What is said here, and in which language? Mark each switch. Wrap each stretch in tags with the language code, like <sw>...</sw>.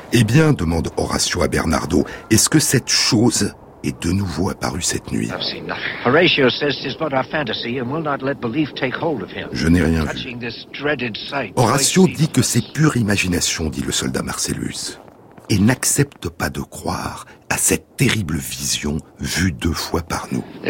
<fr>Eh bien, demande Horatio à Bernardo, est-ce que cette chose est de nouveau apparue cette nuit?</fr> <en>I've seen nothing. Horatio says it's but a fantasy and will not let belief take hold of him.</en> <fr>Je n'ai rien vu.</fr> <en>Touching this dreaded sight.</en> <fr>Horatio dit que c'est pure imagination, dit le soldat Marcellus, et n'accepte pas de croire à cette terrible vision vue deux fois par nous.</fr>